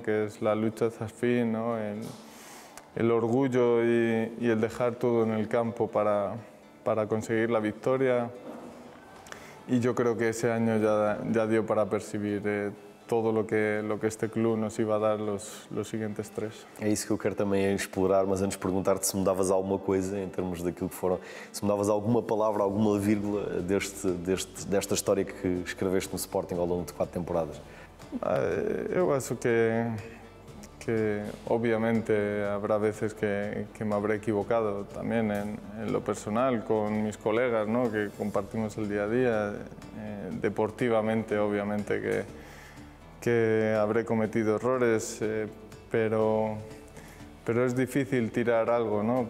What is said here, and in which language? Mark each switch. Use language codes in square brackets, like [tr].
[es] Que es la lucha hasta el fin, ¿no? El orgullo y el dejar todo en el campo para conseguir la victoria. Y yo creo que ese año ya dio para percibir todo lo que este club nos iba a dar los siguientes 3. [pt] É isso que eu quero também explorar, mas antes perguntar-te se mudavas alguma coisa em termos daquilo que foram, se mudavas alguma palavra, alguma vírgula desta história que escreveste no Sporting ao longo de 4 temporadas. Eu acho que obviamente [es] habrá veces que me habré equivocado también en lo personal con mis colegas, ¿no? Que compartimos el día a día. Deportivamente, obviamente, que habré cometido errores, pero es difícil tirar algo, ¿no?